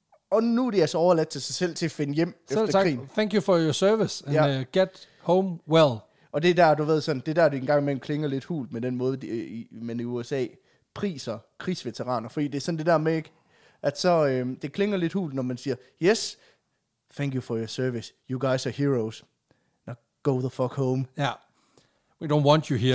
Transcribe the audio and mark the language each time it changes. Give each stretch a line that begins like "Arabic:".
Danish: Og nu er de altså overladt til sig selv til at finde hjem så efter krigen.
English: Thank you for your service, and ja, get home well.
Danish: Og det er der, du ved sådan, det er der, det engang imellem klinger lidt hult med den måde, man i USA priser krigsveteraner. Fordi det er sådan det der med, ikke? At så, det klinger lidt hult, når man siger,
English: yes, thank you for your service, you guys are heroes, now go the fuck home. Ja, we don't want you here.